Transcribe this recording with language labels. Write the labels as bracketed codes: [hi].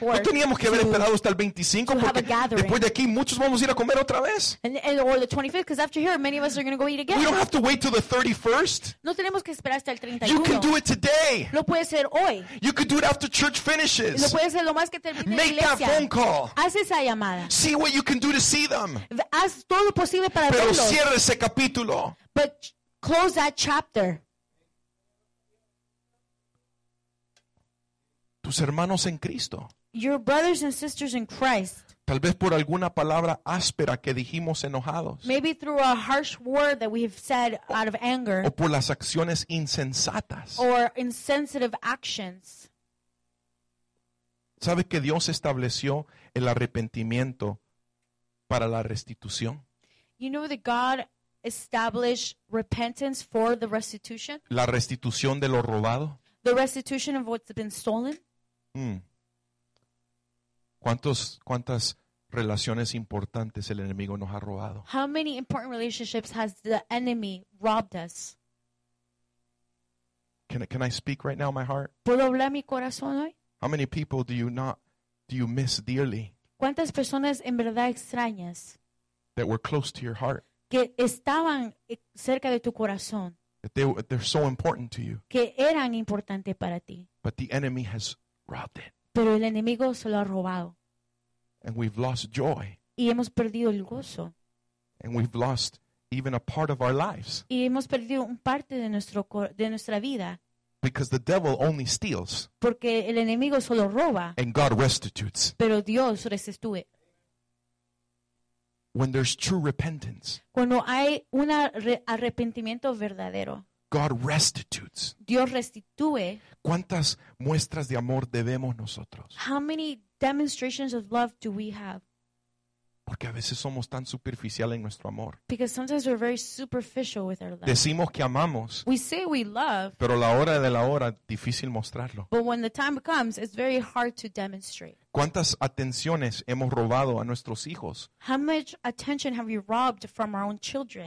[es] No teníamos que haber esperado hasta el 25 porque después de aquí muchos vamos a ir a comer otra vez. [en] And or the 25th, because after here many of us are going to go eat again. We don't have to wait till the 31st. [es] No tenemos que esperar hasta el 31. [en] You can do it today. [es] Lo puedes hacer hoy. [en] You can do it after church finishes. [es] Lo puedes hacer lo más que termine la iglesia. [en] Make that phone call. [es] Haz esa llamada. [en] See what you can do to see them. [es] Haz todo lo posible para pero verlos. Cierra ese capítulo. [en] But close that chapter. [es] Tus hermanos en Cristo. [en] Your brothers and sisters in Christ. [es] Tal vez por alguna palabra áspera que dijimos enojados. [en] Maybe through a harsh word that we have said out of anger. [es] O por las acciones insensatas. [en] Or insensitive actions. [es] ¿Sabes que Dios estableció el arrepentimiento para la restitución? [en] You know that God established repentance for the restitution? [es] La restitución de lo robado. [en] The restitution of what's been stolen. [es] ¿Cuántas relaciones importantes el enemigo nos ha robado? [en] How many important relationships has the enemy robbed us? Can I speak right now, my heart? [es] ¿Puedo hablar mi corazón hoy? [en] How many people do you miss dearly? [es] ¿Cuántas personas en verdad extrañas? [en] That were close to your heart. [es] Que estaban cerca de tu corazón. [en] That they're so important to you. [es] Que eran importantes para ti. [en] But the enemy has robbed it. [es] Pero el enemigo se lo ha robado. [en] And we've lost joy. [es] Y hemos perdido el gozo. [en] And we've lost even a part of our lives. [es] Y hemos perdido un parte de nuestra vida. [en] Because the devil only steals. [es] Porque el enemigo solo roba. [en] And God restitutes. [es] Pero Dios restituye. [en] When there's true repentance. [es] Cuando hay un arrepentimiento verdadero. [en] God restitutes. [es] Dios restituye. ¿Cuántas muestras de amor debemos nosotros? [en] How many demonstrations of love do we have? [es] Porque a veces somos tan superficial en nuestro amor. [en] Because sometimes we're very superficial with our love. [es] Decimos que amamos. [en] We say we love. [es] Pero la hora de la hora, difícil mostrarlo. [en] But when the time comes, it's very hard to demonstrate. [es] ¿Cuántas atenciones hemos robado a nuestros hijos? [en] How much attention have we robbed from our own children?